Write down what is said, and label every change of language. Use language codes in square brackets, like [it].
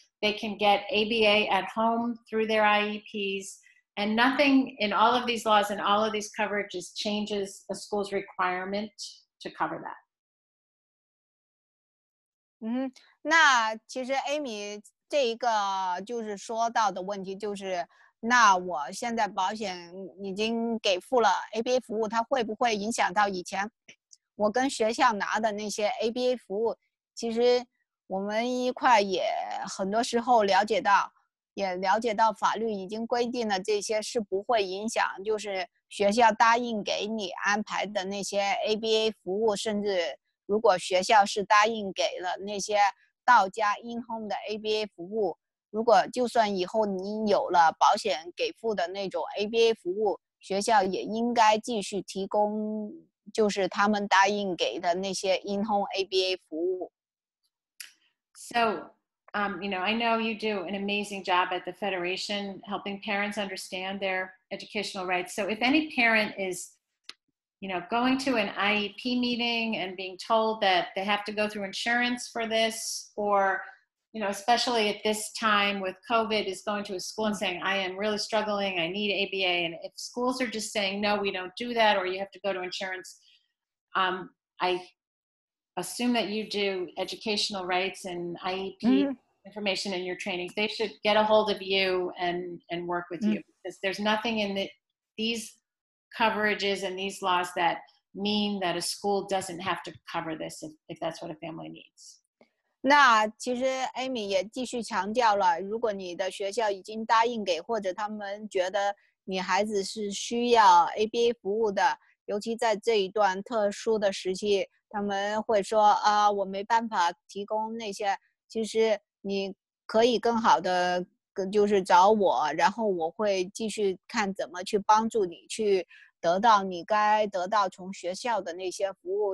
[en] They can get ABA at home through their IEPs, and nothing in all of these laws and all of these coverages changes a school's requirement to cover that. [zh] 那其实 Amy 这一个就是说到的问题就是，那我现在保险已经给付了 ABA 服务，它会不会影响到以前我跟学校拿的那些 ABA 服务？其实我们一块也很多时候了解到，也了解到法律已经规定了这些是不会影响，就是学校答应给你安排的那些 ABA 服务，甚至如果学校是答应给了那些到家 in-home 的 ABA 服务，如果就算以后你有了保险给付的那种 ABA 服务，学校也应该继续提供就是他们答应给的那些 in-home ABA 服务。 [en] So, you know, I know you do an amazing job at the Federation helping parents understand their educational rights. So if any parent is, you know, going to an IEP meeting and being told that they have to go through insurance for this, or, you know, especially at this time with COVID, is going to a school and saying, I am really struggling, I need ABA. And if schools are just saying, no, we don't do that, or you have to go to insurance, I assume that you do educational rights and IEP information in your training. They should get a hold of you and work with you, because there's nothing in these coverages and these laws that mean that a school doesn't have to cover this if that's what a family needs. [zh] 那其实 Amy 也继续强调了，如果你的学校已经答应给，或者他们觉得你孩子是需要 ABA 服务的，尤其在这一段特殊的时期，他们会说啊，我没办法提供那些，其实你可以更好的就是找我，然后我会继续看怎么去帮助你去得到你该得到从学校的那些服务。